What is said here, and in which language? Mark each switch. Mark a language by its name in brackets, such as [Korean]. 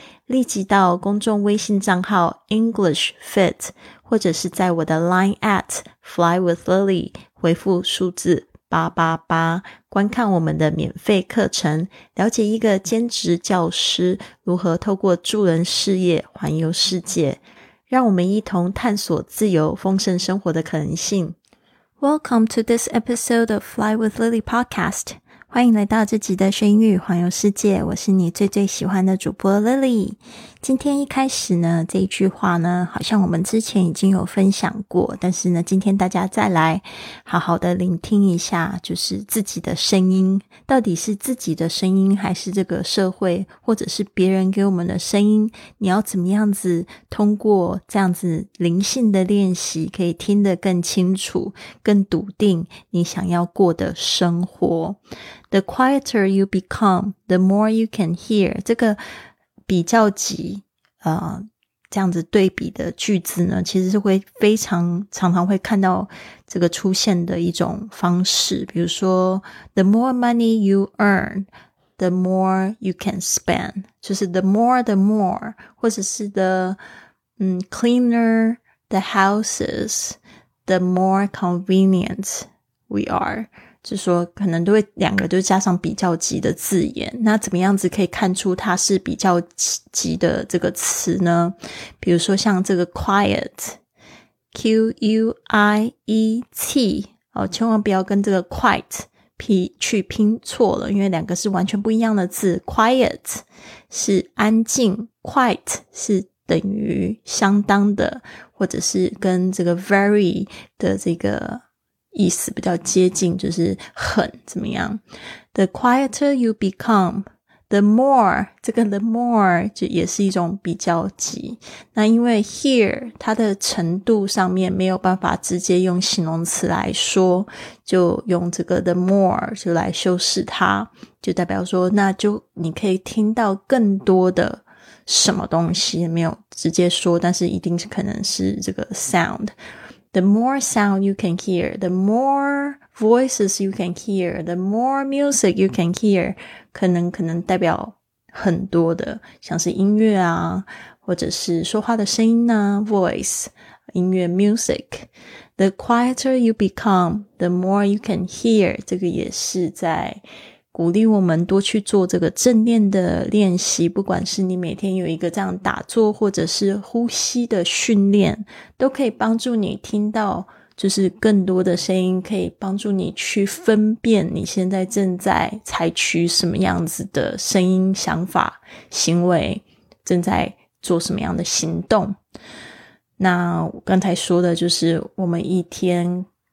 [Chinese] 立即到公众微信账号 EnglishFit 或者是在我的 Line at FlyWithLily 回复数字888，观看我们的免费课程，了解一个兼职教师如何透过助人事业环游世界，让我们一同探索自由丰盛生活的可能性。 [English] Welcome to this episode of Fly with Lily podcast. [Chinese] 欢迎来到这集的学英语环游世界，我是你最最喜欢的主播 Lily。今天一开始呢，这一句话呢，好像我们之前已经有分享过，但是呢，今天大家再来好好的聆听一下，就是自己的声音，到底是自己的声音，还是这个社会，或者是别人给我们的声音，你要怎么样子通过这样子灵性的练习，可以听得更清楚，更笃定你想要过的生活。 [English] The quieter you become, the more you can hear. [Chinese] 这个比较级这样子对比的句子呢，其实是会非常常常会看到这个出现的一种方式。比如说 [English] The more money you earn, the more you can spend. [Chinese] 就是 [English] the more, [Chinese] 或者是 [English] the cleaner the houses, the more convenient we are. [Chinese] 就说可能都会两个就加上比较级的字眼，那怎么样子可以看出它是比较级的这个词呢？比如说像这个 quiet Q-U-I-E-T、哦、千万不要跟这个 quite 去拼错了，因为两个是完全不一样的字。 quiet 是安静， quite 是等于相当的，或者是跟这个 very 的这个意思比较接近，就是很怎么样。 [English] The quieter you become, the more, [Chinese] 这个 [English] the more [Chinese] 就也是一种比较级。那因为 hear 它的程度上面没有办法直接用形容词来说，就用这个 the more 就来修饰它，就代表说那就你可以听到更多的什么东西，没有直接说，但是一定是可能是这个 sound。 [English] The more sound you can hear, the more voices you can hear, the more music you can hear, [Chinese] 可能代表很多的，像是音乐啊，或者是说话的声音啊， [English] voice, 音乐 music. The quieter you become, the more you can hear, [Chinese] 这个也是在鼓励我们多去做这个正念的练习，不管是你每天有一个这样打坐或者是呼吸的训练，都可以帮助你听到就是更多的声音，可以帮助你去分辨你现在正在采取什么样子的声音、想法、行为，正在做什么样的行动。那刚才说的就是我们一天